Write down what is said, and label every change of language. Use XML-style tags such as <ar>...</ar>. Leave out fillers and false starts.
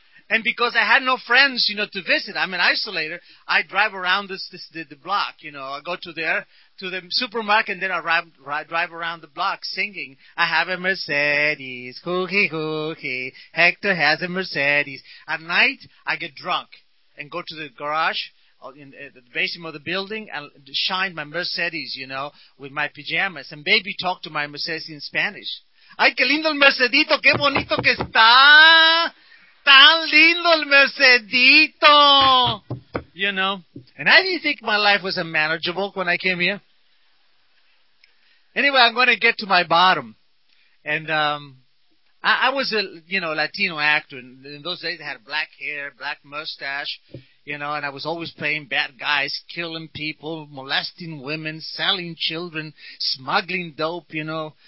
<en>And because I had no friends, you know, to visit, I'm an isolator, I drive around the block, you know, I go to the supermarket, and then I drive around the block singing, I have a Mercedes, hookie hookie, Hector has a Mercedes. At night, I get drunk and go to the garage, in the basement of the building, and shine my Mercedes, you know, with my pajamas, and baby talk to my Mercedes in Spanish.</en> <es>Ay, que lindo el Mercedito, que bonito que está. Tan lindo el Mercedito.</es> <en>You know. And I didn't think my life was unmanageable when I came here. Anyway, I'm going to get to my bottom. And I was a, you know, Latino actor. In those days, I had black hair, black mustache. You know, and I was always playing bad guys, killing people, molesting women, selling children, smuggling dope, you know.</en>